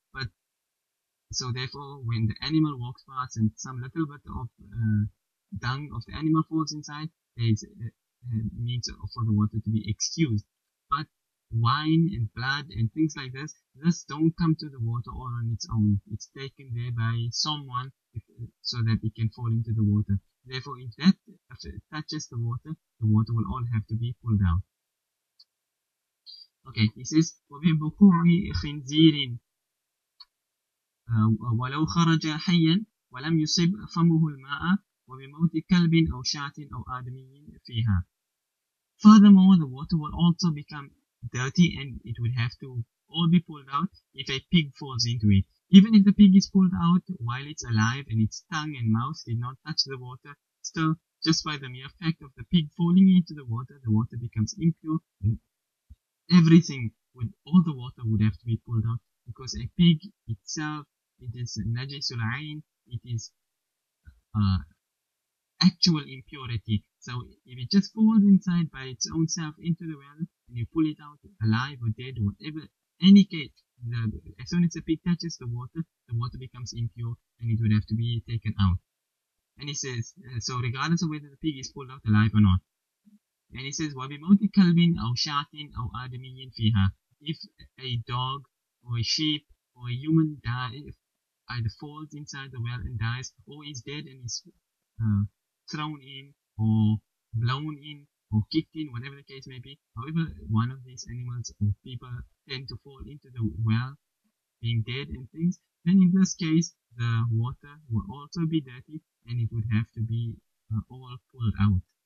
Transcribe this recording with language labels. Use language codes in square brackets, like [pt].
[en] But so therefore, when the animal walks past and some little bit of dung of the animal falls inside, there's means for the water to be excused. But wine and blood and things like this, this don't come to the water all on its own. It's taken there by someone so that it can fall into the water. Therefore, if that touches the water will all have to be pulled out. [ar] Okay, he says, وَبِبُكُورِ خِنْزِيرٍ وَلَوْ خَرَجَ حَيًّا وَلَمْ يُصِبْ فَمُهُ الْمَاءَ وَبِمَوْتِ كَلْبٍ أَوْ شَاتٍ أَوْ آدَمِيٍّ فِيهَا. [en] Furthermore, the water will also become dirty and it will have to all be pulled out if a pig falls into it. Even if the pig is pulled out while it's alive and its tongue and mouth did not touch the water, still, just by the mere fact of the pig falling into the water becomes impure and everything, all the water would have to be pulled out, because a pig itself, it is najisul ayn, it is actual impurity. So if it just falls inside by its own self into the well and you pull it out alive or dead or whatever, any case, as soon as the pig touches the water becomes impure and it would have to be taken out. And he says, so regardless of whether the pig is pulled out alive or not. [ar] And he says, وَبِمَوْتِ كَلْبٍ أَوْ شَاتٍ أَوْ آدَمِيٍّ فِيهَا. [en] If a dog or a sheep or a human dies, either falls inside the well and dies, or is dead and is thrown in, or blown in, or kicked in, whatever the case may be, however one of these animals or people tend to fall into the well, being dead and things, then in this case, the water will also be dirty, and it would have to be all pulled out.